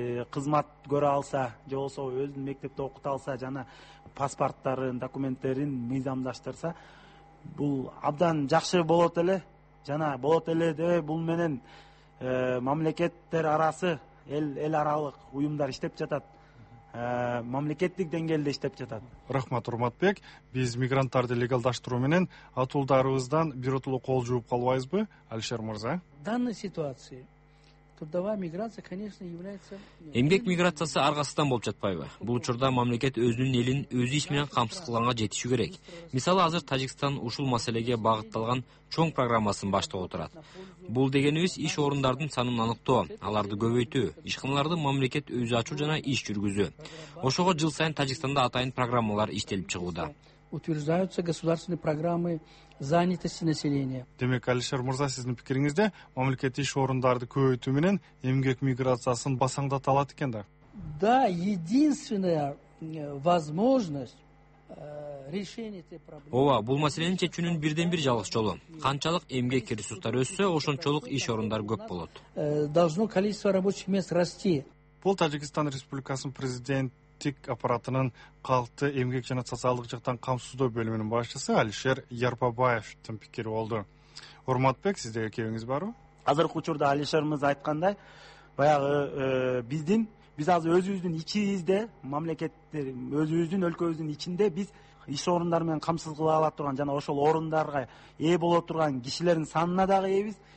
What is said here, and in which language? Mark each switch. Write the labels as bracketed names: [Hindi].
[Kyrgyz] кызмат көрө алса, же болбосо өзүн мектепте окута алса жана паспорттарын, документтерин мыйзамдаштырса, бул абдан жакшы болот эле жана болот эле дебей, бул менен мамлекеттер арасы эл аралык уюмдар иштеп жатат. Мамлекеттик деңгээлде иштеп жатат. Рахмат, Урматбек. Биз мигранттарды легалдаштыруу менен атуулдарыбыздан биротоло кол жууп калбайбызбы, Алишер Мырза? [Russian] Данная ситуация. Трудовая миграция, конечно, является [Kyrgyz] эмгек миграциясы аргасыздан болуп жатпайбы? Бул учурда мамлекет өзүнүн элин өзү иш менен камсыз кылганга жетиши керек. Мисалы, азыр Тажикстан ушул маселеге багытталган чоң программасын баштап отурат. Бул дегенибиз иш орундардын санын аныктоо, аларды көбөйтүү, ишканаларды мамлекет өзү ачуу жана иш жүргүзүү. Ошого жыл сайын Тажикстанда атайын программалар иштелип чыгууда. [Russian] Утверждаются государственные программы занятости населения. [Kyrgyz] Демек, Алишер Мырза, сиздин пикириңизде мамлекет иш орундарды көбөйтүү менен эмгек миграциясын басаңдата алат экен да? [Russian] Да, единственная возможность [Kyrgyz] ооба, бул маселени чечүүнүн бирден бир жалгыз жолу. Канчалык эмгек ресурстары өссө, ошончолук иш орундар көп болот. [Russian] Должно количество рабочих мест расти. [Kyrgyz] Бул Тажикстан Республикасынын президенттик аппаратынын калкты эмгек жана социалдык жактан камсыздоо бөлүмүнүн башчысы Алишер Ярбабаевдин пикири болду. Урматбек, сиздеге кебиңиз барбы? Азыркы учурда Алишер мырза айткандай, баягы биз азыр өзүбүздүн ичибизде мамлекеттер, өзүбүздүн өлкөбүздүн ичинде биз иш орундар менен камсыз кыла ала турган жана ошол орундарга ээ боло турган кишилердин санына дагы ээбиз.